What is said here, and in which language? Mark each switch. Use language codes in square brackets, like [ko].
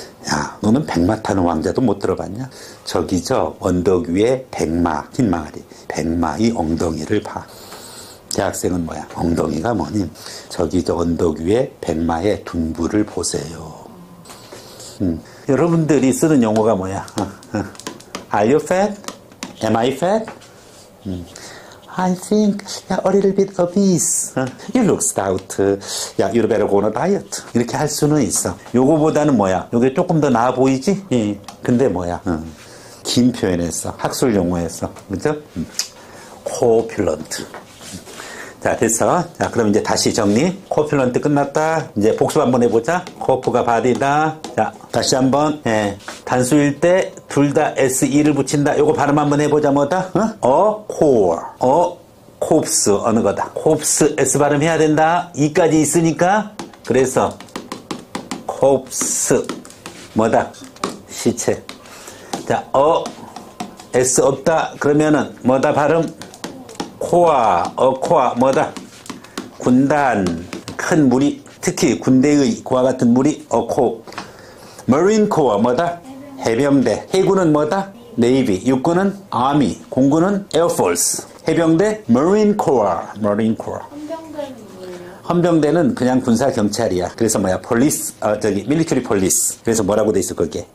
[ko] 야, 너는 백마 타는 왕자도 못 들어봤냐? 저기 저 언덕 위에 백마, 흰 망아리. 백마의 엉덩이를 봐. 대학생은 뭐야? 엉덩이가 뭐니? 저기 저 언덕 위에 백마의 둥부를 보세요. 여러분들이 쓰는 용어가 뭐야? [en] Are you fat? Am I fat? I think you're a little bit obese. You look stout. Yeah, you better go on a diet. [ko] 이렇게 할 수는 있어. 요거보다는 뭐야? 요게 조금 더 나아 보이지? 예. 근데 뭐야? 긴 표현에서, 학술 용어에서. 그죠? Copulant. 자, 됐어. 자, 그럼 이제 다시 정리. Copulant 끝났다. 이제 복습 한번 해보자. 코프가 바디다. 자, 다시 한 번. 예. 단수일 때 둘 다 S, E를 붙인다. 요거 발음 한번 해보자, 뭐다? 코어. 콥스. 어느 거다? 콥스. S 발음 해야 된다. E까지 있으니까. 그래서 콥스. 뭐다? 시체. 자, S 없다. 그러면은 뭐다 발음? 코아. 코아. 뭐다? 군단. 큰 무리. 특히 군대의 그와 같은 무리. 코어. [en] Marine Corps [ko] 뭐다? 해병대. 해군은 뭐다? Navy. 육군은 Army. [en] 공군은 Air Force. 해병대 Marine Corps. Marine Corps. [ko] 헌병대는 그냥 군사 경찰이야. 그래서 뭐야? [en] Police. military police. [ko] 그래서 뭐라고 돼 있어 그게?